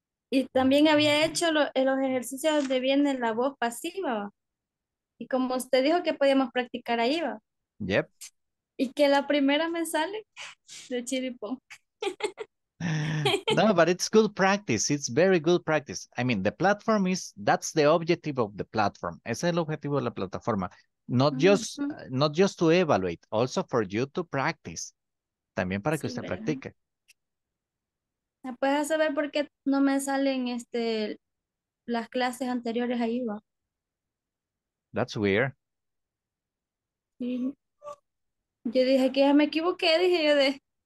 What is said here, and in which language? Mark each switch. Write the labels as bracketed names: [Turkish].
[Spanish] Y también había hecho los ejercicios donde viene la voz pasiva. Y como usted dijo que podíamos practicar ahí, ¿va? [English] Yep. [Spanish] Y que la primera me sale de chiripón. [English] No, but it's good practice. It's very good practice. I mean, the platform is, that's the objective of the platform. [Spanish] Ese es el objetivo de la plataforma. [English] Not just to evaluate, also for you to practice. [Spanish] También para que sí, usted verdad. Practique. ¿Me puedes saber por qué no me salen este, las clases anteriores ahí, va? [English] That's weird. [Spanish] Y yo dije que ya me equivoqué, dije yo de...